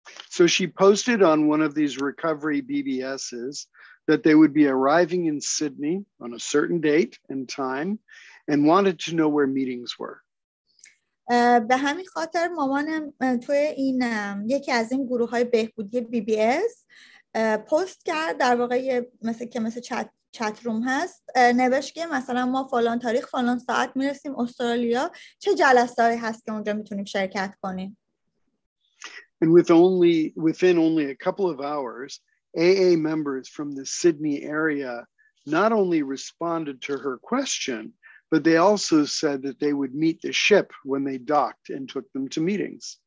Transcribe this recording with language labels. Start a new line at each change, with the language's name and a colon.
English: So she posted on one of these recovery BBSs that they would be arriving in Sydney on a certain date and time and wanted to know where meetings were.
Persian: به همین خاطر مامانم توی این یکی از این گروه های بهبودی بی بی اس پست کرد، در واقع مثل چت روم هست، نوشت که مثلا ما فلان تاریخ فلان ساعت میرسیم استرالیا، چه جلسه‌ای هست که اونجا میتونیم شرکت کنیم.
English: And within only a couple of hours, AA members from the Sydney area not only responded to her question, but they also said that they would meet the ship when they docked and took them to meetings.